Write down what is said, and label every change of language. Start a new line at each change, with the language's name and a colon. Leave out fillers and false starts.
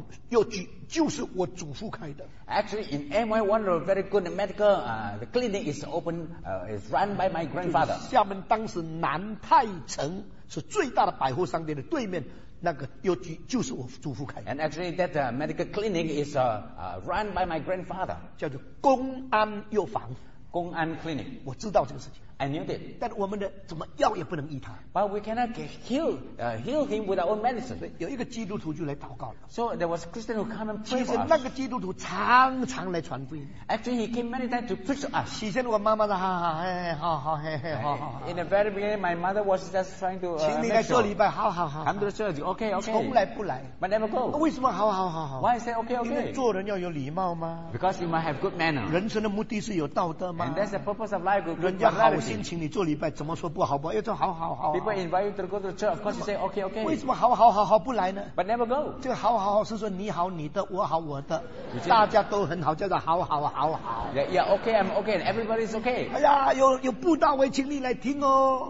Chinese: 其实厦门这个从前这个最重要的一个书记，这个药房药局就是我祖父开的。
English: Actually, in MY, one of the very good medical the clinic is open is run by my grandfather.
Chinese: 厦门当时南泰城是最大的百货商店的对面。那个药局就是我祖父开的。
English: And actually that medical clinic is run by my grandfather.
Chinese: 叫做公安药房。
English: 公安 clinic.
Chinese: 我知道这个事情。
English: I knew that.
Chinese: 但我们的怎么药也不能医他。
English: But we cannot heal him with our own medicine.
Chinese: 有一个基督徒就来祷告了。
English: So there was a Christian who came and prayed for us.
Chinese: 其实那个基督徒常常来传福音。
English: Actually he came many times to preach to us.
Chinese: 起先我妈妈说好好好好好好好。
English: In the very beginning my mother was just trying to
Chinese: 请你来做礼拜，好好好。
English: Come to the church, okay, okay.
Chinese: 从来不来。
English: But never go.
Chinese: 为什么好好好好？
English: Why say okay, okay?
Chinese: 因为做人要有礼貌吗？
English: Because you must have good manner.
Chinese: 人生的目的是有道德吗？
English: And that's the purpose of life.
Chinese: 人家好心请你做礼拜，怎么说不好不好？要说好好好好。
English: People invite you to go to the church, of course you say okay, okay.
Chinese: 为什么好好好好不来呢？
English: But never go.
Chinese: 这个好好好是说你好你的，我好我的，大家都很好，叫做好好好好。
English: Yeah, yeah, okay, I'm okay, and everybody's okay.
Chinese: 哎呀，有布道会请你来听哦。